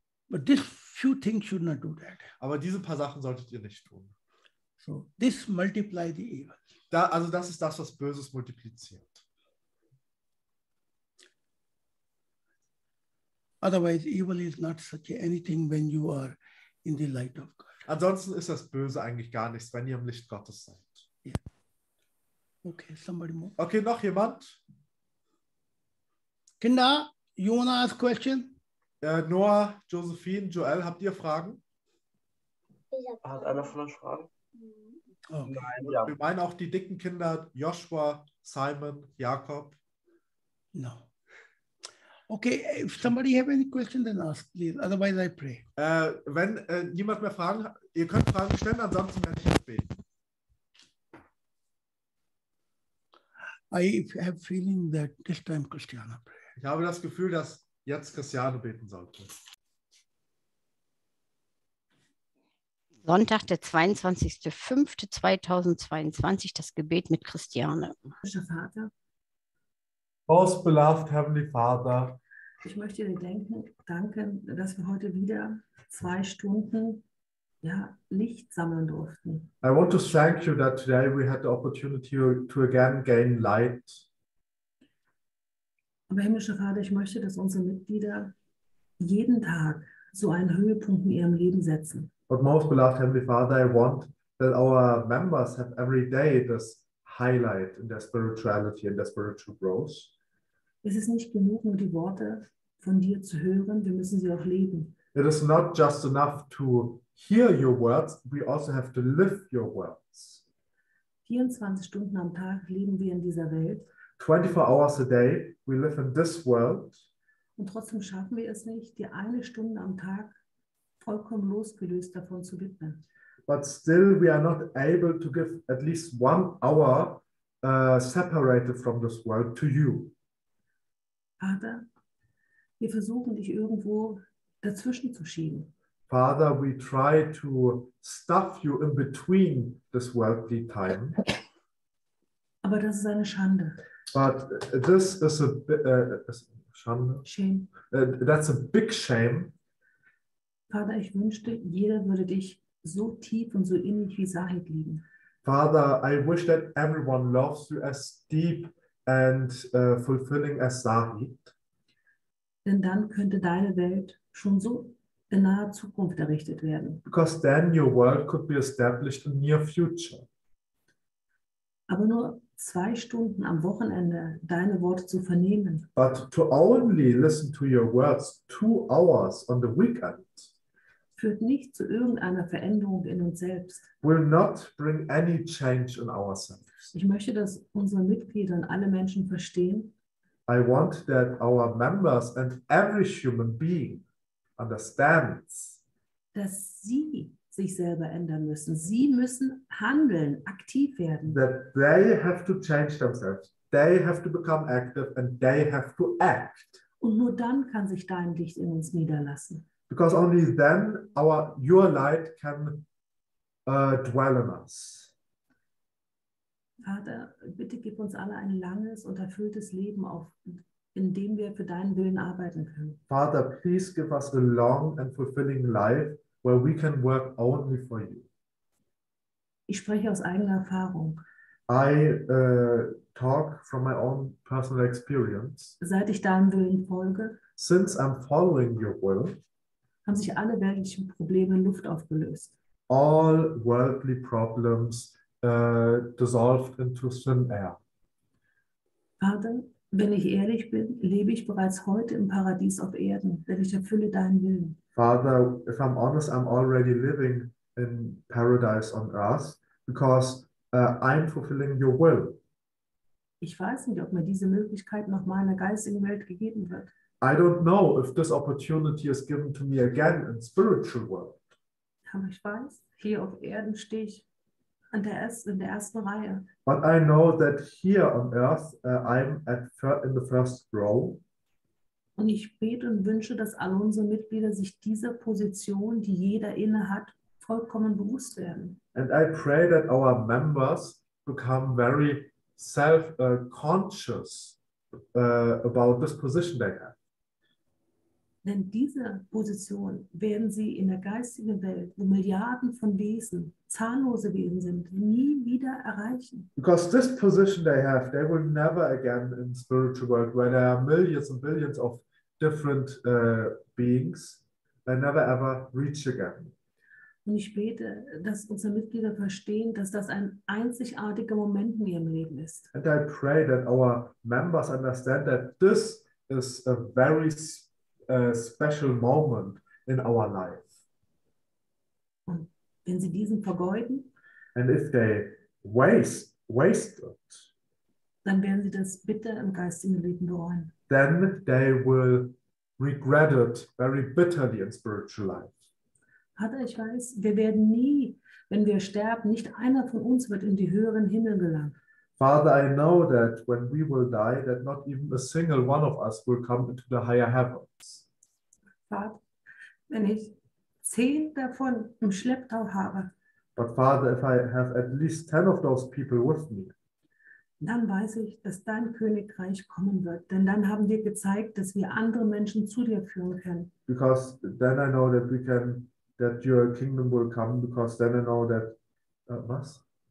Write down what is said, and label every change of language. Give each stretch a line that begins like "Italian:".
English: But this few things should not do that.
German: Aber diese paar Sachen solltet ihr nicht tun.
English: So this multiply the evil.
German: Also das ist das, was Böses multipliziert.
English: Otherwise evil is not such anything when you are in the light of God.
German: Ansonsten ist das Böse eigentlich gar nichts, wenn ihr im Licht Gottes seid.
English: Yeah. Okay, somebody more.
German: Okay, noch jemand? Kinder,
English: you wanna ask question?
German: Noah, Josephine, Joel, habt ihr Fragen? Hat einer von euch Fragen? Okay. Nein, ja. Wir meinen auch die dicken Kinder, Joshua, Simon, Jakob.
English: No. Okay, if somebody have any question, then ask, please. Otherwise, I pray.
German: Wenn niemand mehr Fragen hat, ihr könnt Fragen stellen, ansonsten werde ich jetzt beten.
English: I have feeling that this time Christiane prays.
German: Ich habe das Gefühl, dass jetzt Christiane beten sollte. Sonntag, der 22.05.2022, das Gebet mit Christiane. Vater.
English: Most beloved Heavenly Father.
German: Ich möchte dir danken, dass wir heute wieder 2 Stunden Licht sammeln durften.
English: I want to thank you that today we had the opportunity to again gain light.
German: Aber himmlischer Vater, ich möchte, dass unsere Mitglieder jeden Tag so einen Höhepunkt in ihrem Leben setzen.
English: But most beloved Heavenly Father, I want that our members have every day this highlight in their spirituality and their spiritual growth.
German: Es ist nicht genug, nur die Worte von dir zu hören, wir müssen sie auch leben.
English: It is not just enough to hear your words, we also have to live your words.
German: 24 Stunden am Tag leben wir in dieser Welt.
English: 24 hours a day, we live in this world.
German: Und trotzdem schaffen wir es nicht, die eine Stunde am Tag vollkommen losgelöst davon zu widmen.
English: But still we are not able to give at least 1 hour separated from this world to you.
German: Vater, wir versuchen dich irgendwo dazwischen zu schieben.
English: Father, we try to stuff you in between this worldly time.
German: Aber das ist eine Schande.
English: But this is a
German: Schande.
English: Shame. That's a big shame.
German: Vater, ich wünschte, jeder würde dich so tief und so innig wie Sahid lieben.
English: Father, I wish that everyone loves you as deep and fulfilling as Sahid.
German: Denn dann könnte deine Welt schon so in naher Zukunft errichtet werden.
English: Because then your world could be established in near future.
German: Aber nur 2 Stunden am Wochenende deine Worte zu vernehmen.
English: But to only listen to your words 2 hours on the weekend.
German: Führt nicht zu irgendeiner Veränderung in uns selbst.
English: Will not bring any change in ourselves.
German: Ich möchte, dass unsere Mitglieder und alle Menschen verstehen.
English: I want that our members and every human being understands.
German: Dass sie sich selber ändern müssen. Sie müssen handeln, aktiv werden.
English: That they have to change themselves. They have to become active and they have to act.
German: Und nur dann kann sich dein Licht in uns niederlassen.
English: Because only then your light can dwell in us.
German: Vater, bitte gib uns alle ein langes und erfülltes Leben auf, in dem wir für deinen Willen arbeiten können.
English: Father, please give us a long and fulfilling life where we can work only for you.
German: Ich spreche aus eigener Erfahrung.
English: I talk from my own personal experience.
German: Seit ich deinem Willen folge.
English: Since I'm following your will.
German: Haben sich alle weltlichen Probleme in Luft aufgelöst.
English: All worldly problems dissolved into thin air.
German: Vater, wenn ich ehrlich bin, lebe ich bereits heute im Paradies auf Erden, denn ich erfülle deinen Willen.
English: Father, if I'm honest, I'm already living in paradise on earth, because I'm fulfilling your will.
German: Ich weiß nicht, ob mir diese Möglichkeit noch mal in der geistigen Welt gegeben wird.
English: I don't know if this opportunity is given to me again in spiritual world.
German: Aber ich weiß, hier auf Erden stehe ich in der ersten Reihe.
English: But I know that here on earth I'm in the first row.
German: Und ich bete und wünsche, dass alle unsere Mitglieder sich dieser Position, die jeder inne hat, vollkommen bewusst werden.
English: And I pray that our members become very self-conscious about this position they have.
German: Denn diese Position werden sie in der geistigen Welt, wo Milliarden von Wesen, zahllose Wesen sind, nie wieder erreichen.
English: Because this position they have, they will never again in the spiritual world, where there are millions and billions of different beings, they never ever reach again.
German: Und ich bete, dass unsere Mitglieder verstehen, dass das ein einzigartiger Moment in ihrem Leben ist.
English: And I pray that our members understand that this is a very special moment in our life.
German: Und wenn sie diesen vergeuden,
English: and if they waste it,
German: dann werden sie das bitter im geistigen Leben bereuen.
English: Then they will regret it very bitterly in spiritual life.
German: Vater, ich weiß, wir werden nie, wenn wir sterben, nicht einer von uns wird in die höheren Himmel gelangen.
English: Father, I know that when we will die, that not even a single one of us will come into the higher heavens.
German: Vater, wenn ich 10 davon im Schlepptau habe,
English: but Father, if I have at least 10 of those people with me,
German: dann weiß ich, dass dein Königreich kommen wird, denn dann haben wir gezeigt, dass wir andere Menschen zu dir führen können.
English: Because then I know that we can, that your kingdom will come, because then I know that,
German: was?